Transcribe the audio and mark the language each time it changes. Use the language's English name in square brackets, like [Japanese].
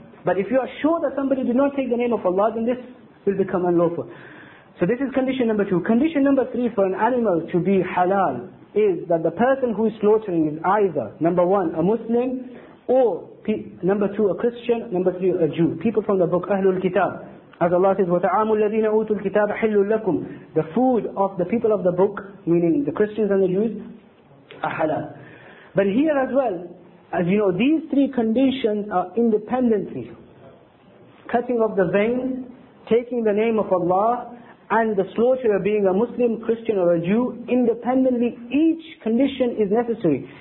[English] But if you are sure that somebody did not take the name of Allah, then this will become unlawful. So this is condition number two. Condition number three for an animal to be halal is that the person who is slaughtering is either, number one, a Muslim, or number two, a Christian, number three, a Jew. People from the book, Ahlul Kitab. As Allah says, [Arabic] وَتَعَامُ الَّذِينَ أُوتُوا الْكِتَابَ حِلُّ لَكُمْ. [English] The food of the people of the book, meaning the Christians and the Jews, are halal. But here as well, as you know, these three conditions are independently. Cutting of the vein, taking the name of Allah, and the slaughterer being a Muslim, Christian or a Jew, independently each condition is necessary.